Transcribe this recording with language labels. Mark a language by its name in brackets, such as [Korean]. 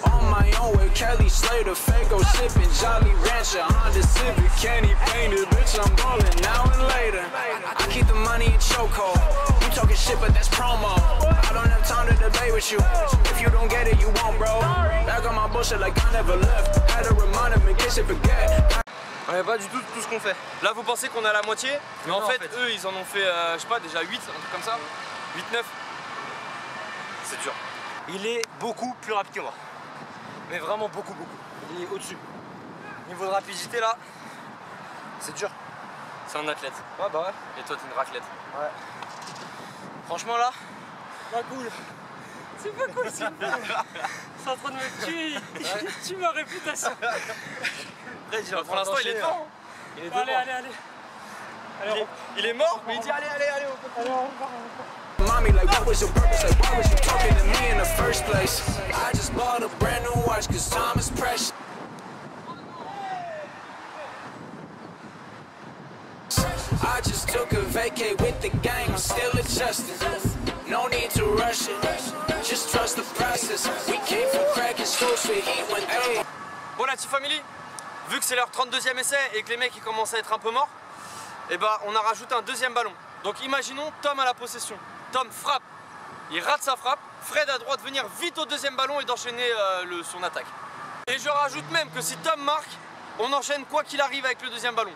[English] On my own with Kelly Slater, Faygo sipping Jolly Rancher, Honda Civic, candy painted. Bitch, I'm ballin' now and later. I keep the money in chokehold. You talk talking shit, but that's promo. I don't have time to debate with you. If you don't get it, you won't, bro. Back on my bullshit like I never left. Had to remind him in case they forget. [French] On n'a pas du tout tout ce qu'on fait. Là, vous pensez qu'on a la moitié, mais non, en fait, eux, ils en ont fait, je sais pas, déjà 8, un truc comme ça. 8, 9. C'est dur. Il est beaucoup plus rapide que moi. Mais vraiment beaucoup, beaucoup. Il est au-dessus. Niveau de rapidité, là, c'est dur. C'est un athlète. Ouais, bah ouais. Et toi, t'es une raclette. Ouais. Franchement, là, pas cool. C'est pas cool, c'est pas cool. C'est en train de me tuer. Tu m'as réputation. Pour l'instant, il est devant. Il est devant. Allez, allez, allez. Il est mort, mais il dit allez, allez, allez. [English] Mommy, like, what was your purpose? Like, why was you talking to me in the first place? I just bought a brand new watch, cause time is precious. I just took a vacay with the gang, I'm still adjusting. No need to rush it, just trust the process. We came from cracking schools for heat when they. [French] Bon, la team family, vu que c'est leur 32e essai et que les mecs ils commencent à être un peu morts, eh ben on a rajouté un deuxième ballon. Donc imaginons Tom à la possession. Tom frappe, il rate sa frappe, Fred a droit de venir vite au deuxième ballon et d'enchaîner son attaque. Et je rajoute même que si Tom marque, on enchaîne quoi qu'il arrive avec le deuxième ballon.